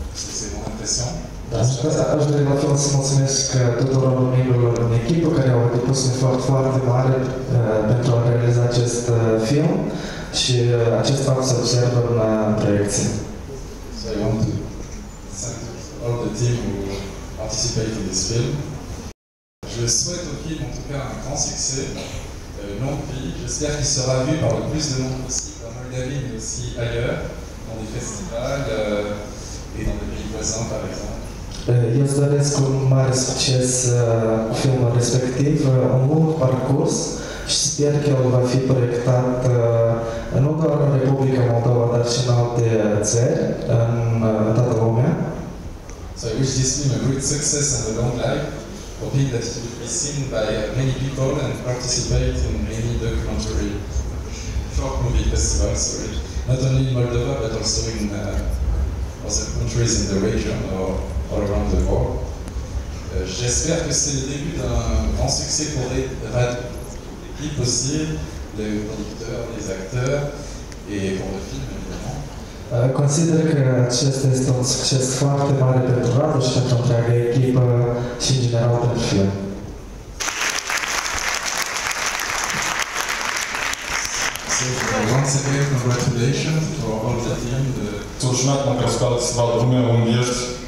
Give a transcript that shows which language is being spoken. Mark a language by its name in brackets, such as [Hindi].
[Romanian] Aș vrea la fel să mulțumesc tuturor membrilor în echipă care au depus un efort foarte mare pentru a realiza acest film și acest fapt se observă în proiecție. [English] So I want to thank all the team who participated in this film. [French] Je souhaite au film, en tout cas, un grand succès, long vie. J'espère qu'il sera vu par le plus de monde possible en Moldavie, mais aussi ailleurs, dans des festivals et dans des pays voisins, par exemple. [Romanian] Eu îți doresc un mare succes cu filmul respectiv, un lung parcurs și sper că el va fi proiectat nu doar în Republica Moldova, dar și în alte țări, în toată lumea. [English] So I wish this film a great success and a long life, hoping that it will be seen by many people and participate in many documentary short movie festivals, sorry. Not only in Moldova, but also in other countries in the region or all around the world. [French] J'espère que c'est le début d'un grand succès pour l'équipe aussi, les producteurs, les acteurs, et pour le film, évidemment. [Romanian] Consider que acesta este un succès foarte mare pentru Radu și pentru întreaga echipă și, în general, pentru film. [English] Once again, congratulations for all the team. Tușmat, mă că spală să vă lume unde ești.